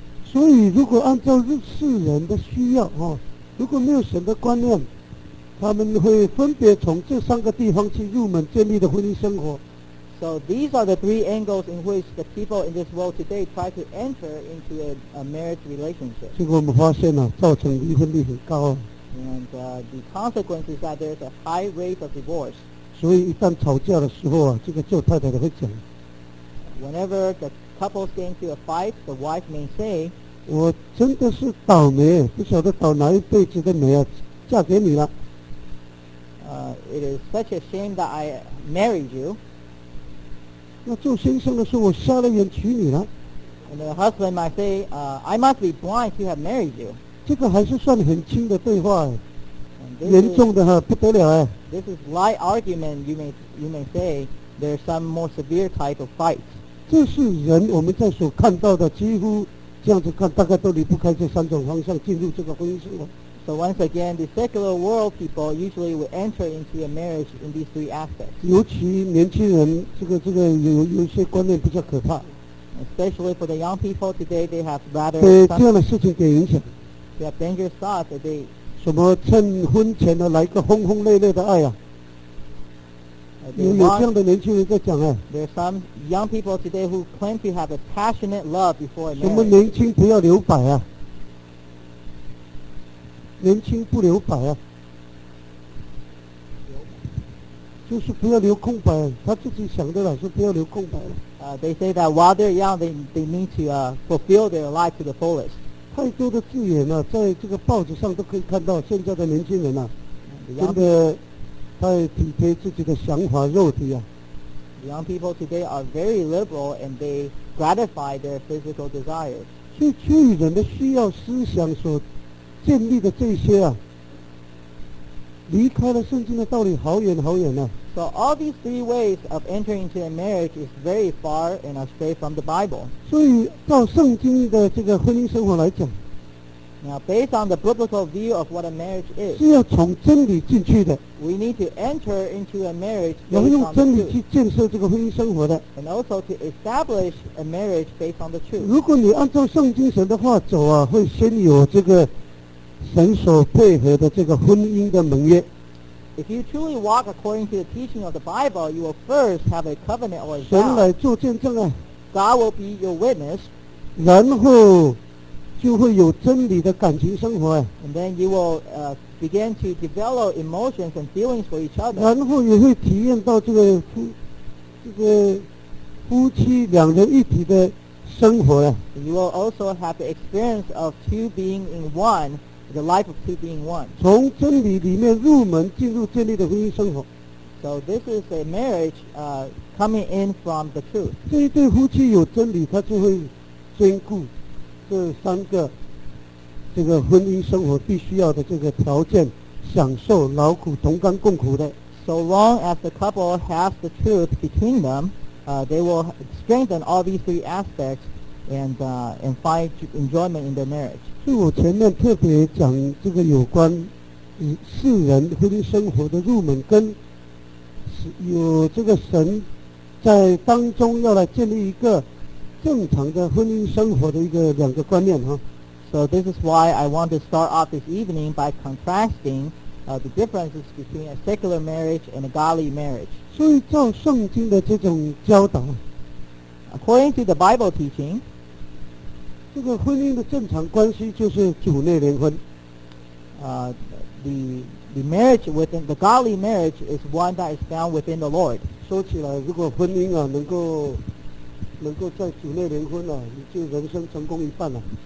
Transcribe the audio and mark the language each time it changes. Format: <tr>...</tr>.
<zh>所以，如果按照世人的需要哦，如果没有神的观念，他们会分别从这3个地方去入门建立的婚姻生活。</zh> <en>So these are the 3 angles in which the people in this world today try to enter into a marriage relationship.</en> <zh>结果我们发现了，造成离婚率很高。</zh> <en>And the consequence is that there's a high rate of divorce.</en> <zh>所以一旦吵架的时候啊，这个旧太太的会讲。</zh> <en>Whenever the couples get into a fight, the wife may say,</en> <zh>我真的是倒霉，不晓得倒哪一辈子的霉啊，嫁给你了。</zh> <en>It is such a shame that I married you.</en> <zh>那做先生的说，我瞎了眼娶你了。</zh> <en>And the husband might say, I must be blind to have married you.</en> <zh>这个还是算很轻的对话，严重的哈不得了哎。</zh> <en>This is light argument. You may say there's some more severe type of fight.</en> <zh>这是人我们在所看到的几乎这样子看，大概都离不开这三种方向进入这个婚姻生活。</zh> <en>So once again, the secular world people usually will enter into a marriage in these three aspects.</en> <zh>尤其年轻人，这个有些观念比较可怕。</zh> <en>Especially for the young people today, they have rather</en> <zh>被这样的事情给影响。</zh> <en>They have dangerous thoughts that they</en> <zh>什么趁婚前呢来个轰轰烈烈的爱啊？有这样的年轻人在讲啊。 There are some young people today who claim to have a passionate love before marriage. 什么年轻不要留白啊？年轻不留白啊，就是不要留空白。他自己想的了，说不要留空白了。</zh> <en>They say that while they're young, they need to fulfill their life to the fullest.</en> <zh>太多的字眼了，在这个报纸上都可以看到，现在的年轻人啊，真的太体贴自己的想法、肉体啊。</zh> <en>Young people today are very liberal and they gratify their physical desires.</en> <zh>所以，基于人的需要、思想所建立的这些啊，离开了圣经的道理好远好远啊。</zh> <en>So all these three ways of entering into a marriage is very far and astray from the Bible.</en> <zh>所以照圣经的这个婚姻生活来讲，</zh> <en>Now based on the biblical view of what a marriage is,</en> <zh>是要从真理进去的。</zh> <en>We need to enter into a marriage based on the truth.</en> <zh>要用真理去建设这个婚姻生活的。</zh> <en>And also to establish a marriage based on the truth.</en> <zh>如果你按照圣经神的话走啊，会先有这个神所配合的这个婚姻的盟约。</zh> <en>If you truly walk according to the teaching of the Bible, you will first have a covenant or a vow.</en> <zh>神来做见证啊。</zh> <en>God will be your witness.</en> <zh>然后就会有真理的感情生活啊。</zh> <en>And then you will begin to develop emotions and feelings for each other.</en> <zh>然后也会体验到这个夫妻两人一体的生活啊。</zh> <en>You will also have the experience of two being in one. The life of two being one.</en> <zh>从真理里面入门进入建立的婚姻生活。</zh> <en>So this is a marriage coming in from the truth.</en> <zh>这一对夫妻有真理，他就会兼顾这三个这个婚姻生活必须要的这个条件，享受劳苦同甘共苦的。</zh> <en>So long as the couple has the truth between them, they will strengthen all these three aspects and find enjoyment in their marriage.</en> <zh>所以我前面特别讲这个有关世人婚姻生活的入门，跟有这个神在当中要来建立一个正常的婚姻生活的一个两个观念哈。</zh> <en>So this is why I want to start off this evening by contrasting the differences between a secular marriage and a godly marriage.</en> <zh>所以照圣经的这种教导，</zh> <en>According to the Bible teaching,</en> <zh>这个婚姻的正常关系就是主内联婚。</zh> <en>The marriage within the godly marriage is one that is found within the Lord.</en> <zh>说起来，如果婚姻啊能够在主内联婚啊，你就人生成功一半了。</zh>